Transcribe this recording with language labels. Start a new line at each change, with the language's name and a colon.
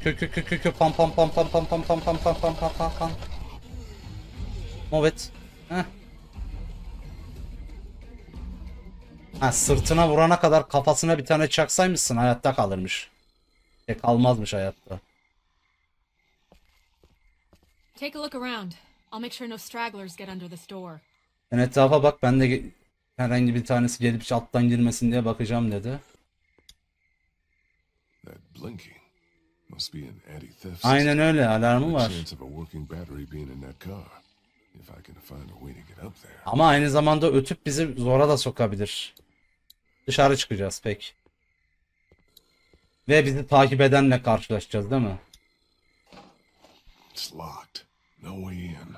English: Q pump pump pump pump pump pump pump pump pump pump pump pump pump. Move it.
Turkish: Heh. Ha, sırtına vurana kadar kafasına bir tane çaksaymışsın hayatta kalırmış. E kalmazmış hayatta.
English: Take a look around. I'll make sure no stragglers get under this door.
Turkish: Sen etrafa bak, ben de herhangi bir tanesi gelip alttan girmesin diye bakacağım dedi.
English: That blinking must be an anti-theft system.
Turkish: Aynen öyle, alarmı var.
English: The chance of a working battery being in that car, if I can find a way to get up there.
Turkish: Ama aynı zamanda ötüp bizi zora da sokabilir. Dışarı çıkacağız pek. Ve bizi takip edenle karşılaşacağız, değil mi?
English: It's locked. No way in.